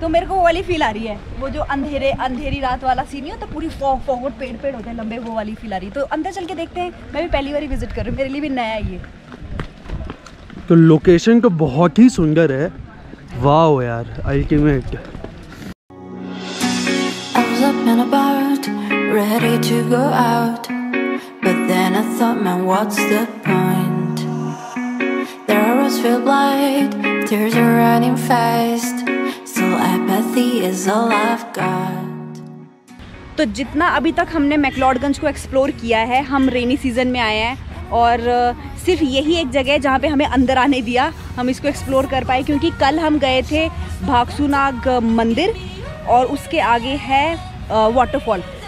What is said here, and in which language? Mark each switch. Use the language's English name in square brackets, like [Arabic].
[Hindi] तो मेरे को वो वाली फील आ रही है, वो जो अंधेरे अंधेरी रात वाला सीन होता, तो पूरी फॉगोट पेड़ पेड़ होते हैं लंबे, वो वाली फील आ रही है। तो अंदर चल के देखते हैं, मैं भी पहली बार विजिट कर रही हूँ, मेरे लिए भी नया है ये। तो लोकेशन तो बहुत ही सुंदर है, वाओ यार ultimate. [English] Ready to go out, but then I thought, man, what's the point? The arrows feel blight, tears are running fast, so apathy is all I've got. [Hindi] तो जितना अभी तक हमने मैक्लोडगंज को एक्सप्लोर किया है, हम रेनी सीजन में आए हैं और सिर्फ यही एक जगह है जहाँ पे हमें अंदर आने दिया, हम इसको एक्सप्लोर कर पाए, क्योंकि कल हम गए थे भागसुनाग मंदिर और उसके आगे है वाटरफॉल।